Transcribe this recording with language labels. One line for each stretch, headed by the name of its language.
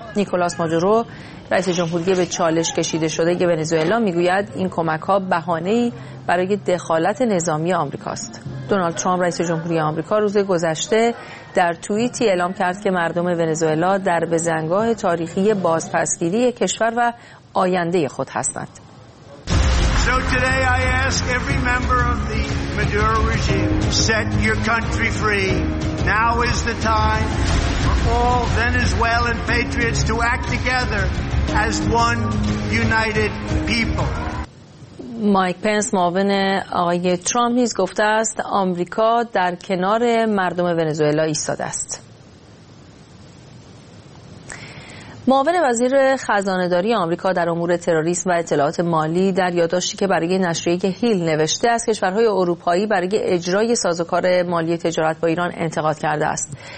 Persian: نیکولاس مادورو رئیس جمهوری به چالش کشیده شده که ونزوئلا میگوید این کمک‌ها بهانه‌ای برای دخالت نظامی آمریکاست. دونالد ترامپ رئیس جمهوری آمریکا روز گذشته در توییتی اعلام کرد که مردم ونزوئلا در بزنگاه تاریخی بازپسگیری کشور و آینده خود هستند.
English: So today I ask every member of the Maduro regime, set your country free. Now is the time for all Venezuelan patriots to act together as one united people.
Persian: مایک پنس معاون آقای ترامپ نیز گفته است آمریکا در کنار مردم ونزوئلا ایستاده است. معاون وزیر خزانه‌داری آمریکا در امور تروریسم و اطلاعات مالی در یادداشتی که برای نشریه هیل نوشته از کشورهای اروپایی برای اجرای سازوکار مالی تجارت با ایران انتقاد کرده است.